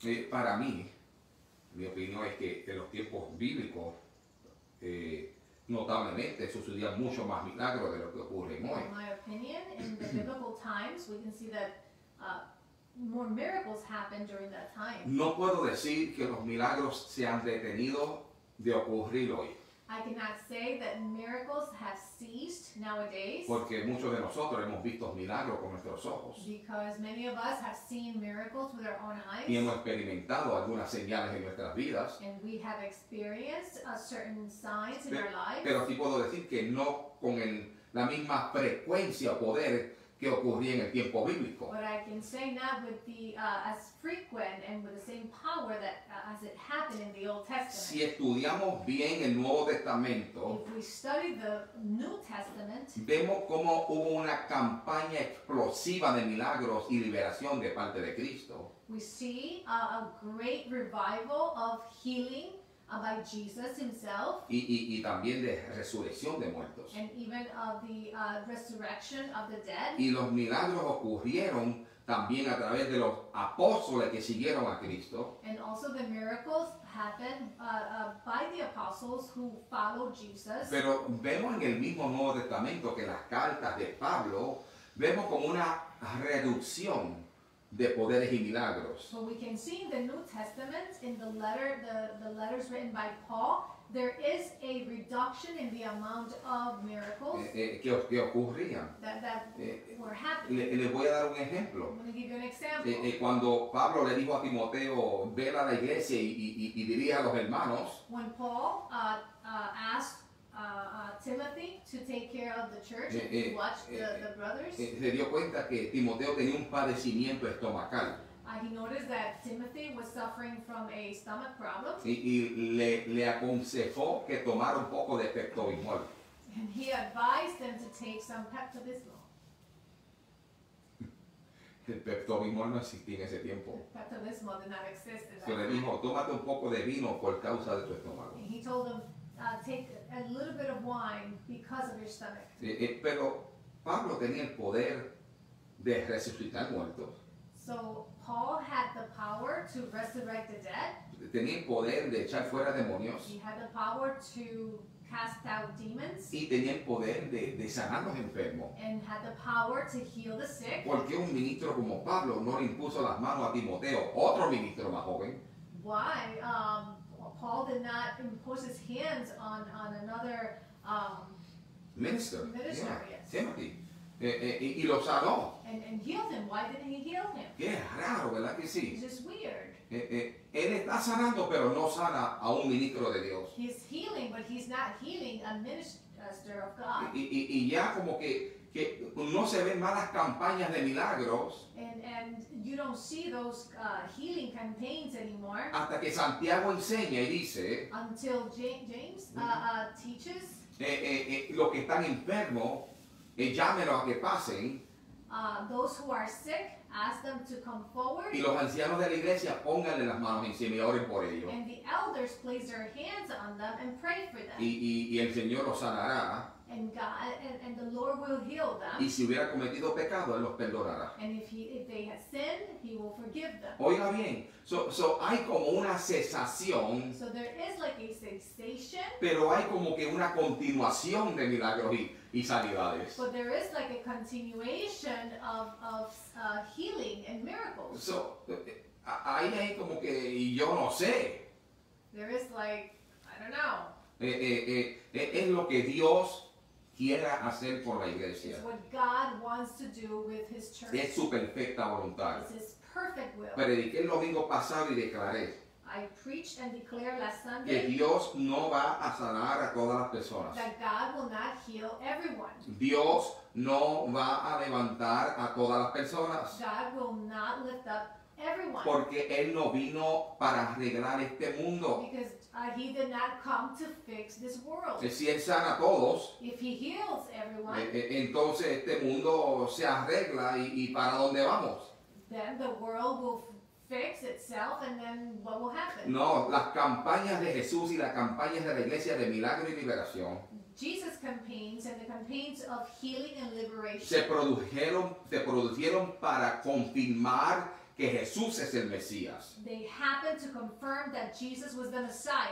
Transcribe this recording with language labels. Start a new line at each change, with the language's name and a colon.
Spanish: Para mí, mi opinión es que en los tiempos bíblicos, notablemente, sucedían mucho más milagros de lo que ocurren hoy.
English: In my opinion, in the biblical times, we can see that more miracles happen during that time.
Spanish: No puedo decir que los milagros se han detenido de ocurrir hoy.
English: I cannot say that miracles have ceased nowadays.
Spanish: Porque muchos de nosotros hemos visto milagros con nuestros ojos.
English: Because many of us have seen miracles with our own eyes.
Spanish: Y hemos experimentado algunas señales en nuestras vidas.
English: And we have experienced a certain signs in our lives.
Spanish: Pero sí puedo decir que no con la misma frecuencia o poder que ocurría en el tiempo bíblico.
English: But I can say not with the as frequent and with the same power that as it happened in the Old Testament.
Spanish: Si estudiamos bien el Nuevo Testamento,
English: if we study the New Testament,
Spanish: vemos cómo hubo una campaña explosiva de milagros y liberación de parte de Cristo.
English: We see a great revival of healing by Jesus himself,
Spanish: y también de resurrección de muertos,
English: and even of the resurrection of the dead.
Spanish: Y los milagros ocurrieron también a través de los apóstoles que siguieron a Cristo,
English: and also the miracles happened by the apostles who followed Jesus.
Spanish: Pero vemos en el mismo Nuevo Testamento que las cartas de Pablo, vemos como una reducción de poderes y milagros.
English: So we can see in the New Testament, in the letter, the letters written by Paul, there is a reduction in the amount of miracles
Spanish: que ocurrían.
English: That were happening.
Spanish: Le voy a dar un ejemplo.
English: I'm going to give you an example.
Spanish: Cuando Pablo le dijo a Timoteo, ve a la iglesia y dirige a los hermanos.
English: When Paul asked Timothy to take care of the church and watch the brothers.
Spanish: Se dio cuenta que Timoteo tenía un padecimiento estomacal.
English: He noticed that Timothy was suffering from a stomach problem.
Spanish: Y le aconsejó que tomara un poco de Pepto-Bismol.
English: And he advised them to take some Pepto-Bismol.
Spanish: El Pepto-Bismol no existía en ese tiempo.
English: Pepto-Bismol did not exist at that time.
Spanish: Se le dijo, tómate un poco de vino por causa de tu estómago.
English: And he told them, take a little bit of wine because of your stomach.
Spanish: Pero Pablo tenía el poder de resucitar muertos.
English: So Paul had the power to resurrect the dead.
Spanish: Tenía el poder de echar fuera demonios.
English: He had the power to cast out demons.
Spanish: Y tenía el poder de sanar los enfermos.
English: And had the power to heal the sick.
Spanish: ¿Por qué un ministro como Pablo no le impuso las manos a Timoteo, otro ministro más joven?
English: Why? Paul did not impose his hands on another minister.
Spanish: Timothy. Y lo sanó.
English: And healed him. Why didn't he heal him?
Spanish: Qué raro, ¿verdad que sí?
English: It's just weird.
Spanish: Él está sanando, pero no sana a un ministro de Dios.
English: He's healing, but he's not healing a minister of God.
Spanish: Y ya como que no se ven malas campañas de milagros.
English: And you don't see those healing campaigns anymore.
Spanish: Hasta que Santiago enseña y dice.
English: Until James teaches.
Spanish: Los que están enfermos, llámenos a que pasen.
English: Those who are sick, ask them to come forward.
Spanish: Y los ancianos de la iglesia, pónganle las manos encima y oren por ellos.
English: And the elders place their hands on them and pray for them.
Spanish: Y el Señor los sanará.
English: And God and the Lord will heal them.
Spanish: Y si hubiera cometido pecado, él los perdonará.
English: And if they have sinned, he will forgive them.
Spanish: Oiga bien, so hay como una cesación.
English: So there is like a cessation.
Spanish: Pero hay como que una continuación de milagros y sanidades.
English: But there is like a continuation of healing and miracles.
Spanish: So ahí hay como que yo no sé.
English: There is like, I don't know.
Spanish: Es lo que Dios quiera hacer por la iglesia.
English: It's what God wants to do with his church.
Spanish: Es su perfecta voluntad.
English: It's his perfect will.
Spanish: Prediqué el domingo pasado y declaré.
English: I preached and declared last Sunday.
Spanish: Que Dios no va a sanar a todas las personas.
English: That God will not heal everyone.
Spanish: Dios no va a levantar a todas las personas.
English: God will not lift up everyone.
Spanish: Porque Él no vino para arreglar este mundo.
English: He did not come to fix this world.
Spanish: Si él sana a todos,
English: if he heals everyone,
Spanish: entonces este mundo se arregla y para dónde vamos.
English: Then the world will fix itself, and then what will happen?
Spanish: No, las campañas de Jesús y las campañas de la iglesia de milagro y liberación.
English: Jesus' campaigns and the campaigns of healing and liberation.
Spanish: Se produjeron para confirmar que Jesús es el Mesías.
English: They happened to confirm that Jesus was the Messiah.